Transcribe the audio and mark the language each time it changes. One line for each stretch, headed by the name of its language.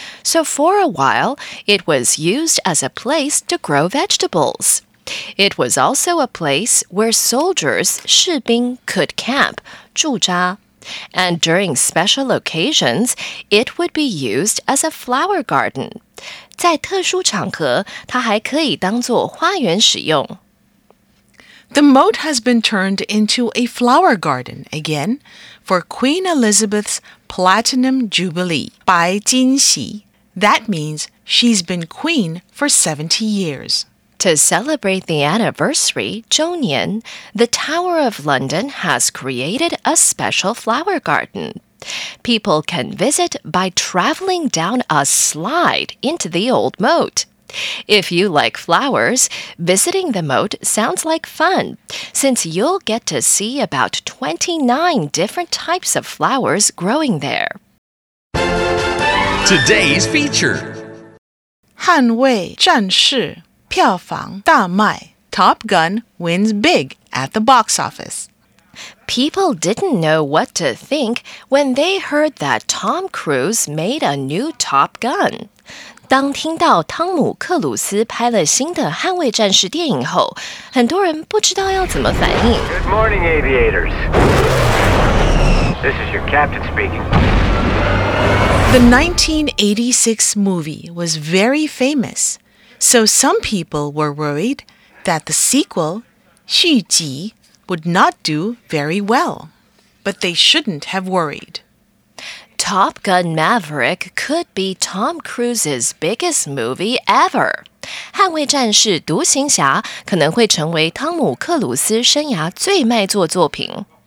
English: So for a while, it was used as a place to grow vegetables. It was also a place where soldiers, 士兵, could camp, 住扎. And during special occasions, it would be used as a flower garden.
Chinese: 在特殊场合,它还可以当作花园使用。
English: The moat has been turned into a flower garden again for Queen Elizabeth's Platinum Jubilee, 白金禧. That means she's been queen for 70 years. To celebrate the anniversary, 周年, the Tower of London has created a special flower garden. People can visit by traveling down a slide into the old moat. If you like flowers, visiting the moat sounds like fun, since you'll get to see about 29 different types of flowers growing there. Today's feature.
Chinese: 捍卫战士票房大卖
English: Top Gun wins big at the box office. People didn't know what to think when they heard that Tom Cruise made a new Top Gun.
Chinese: 当听到汤姆·克鲁斯拍了新的《捍卫战士》电影后，很多人不知道要怎么反应。
English: Good morning, aviators. This is your captain speaking. The 1986 movie was very famous, so some people were worried that the sequel, 续集, would not do very well. But they shouldn't have worried. Top Gun Maverick could be Tom Cruise's biggest movie ever.
Chinese: 捍卫战士独行侠可能会成为汤姆·克鲁斯生涯最卖座作品。